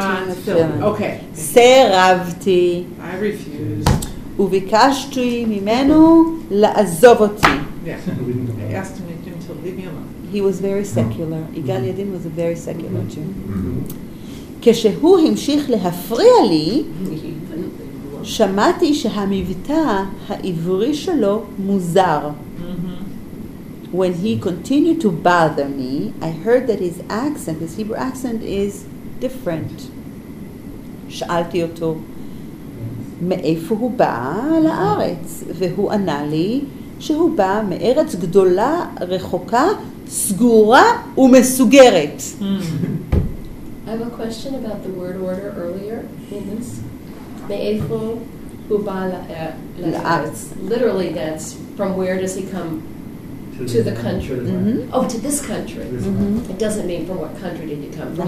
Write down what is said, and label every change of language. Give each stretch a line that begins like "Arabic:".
English: the film. Okay.
Hebrew: Seravti.
English: I refused.
Hebrew: Uvikashti mimenu la'azovoti.
English: Yeah. I asked him to leave me alone. He was very secular. Igal Yadin was a very secular Jew.
Hebrew: Keshehu himshich lehafriya li. שמעתי שהמבטא העברי שלו מוזר.
English: When he continued to bother me, I heard that his accent, his Hebrew accent, is different.
Hebrew: שאלתי אותו, מאיפה הוא בא לארץ? והוא ענה לי שהוא בא מארץ גדולה, רחוקה, סגורה ומסוגרת.
English: I have a question about the word order earlier in this.
Hebrew: Me'efo huba la'aretz.
English: Literally, that's from where does he come to the country? Mm-hmm. Oh, to this country. Mm-hmm. It doesn't mean from what country did you come. From